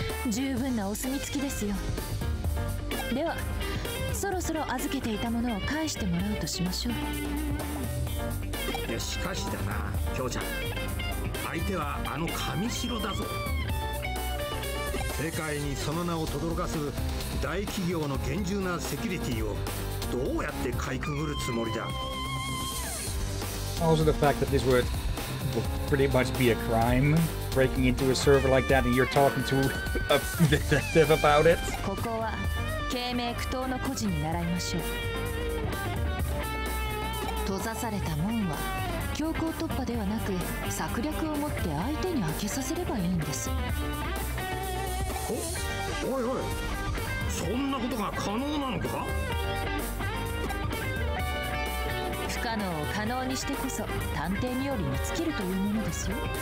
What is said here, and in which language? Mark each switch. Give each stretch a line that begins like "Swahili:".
Japanese: 十分なお墨付きですよ。ではそろそろ預けていたものを返してもらうとしましょう。いやしかしだな、京ちゃん、相手はあの神城だぞ。世界にその名を轟かす大企業の厳重なセキュリティをどうやってかいくぐるつもりだ。
English: Also the fact that this would pretty much be a crime breaking into a server like that and you're talking to a detective about it.
Japanese: ここは啓明苦闘の個人に習いましょう。閉ざされた門は強行突破ではなく策略を持って相手に開けさせればいいんです。おいおい、そんなことが可能なのか。不可能を可能にしてこそ探偵により見つけるというものですよ。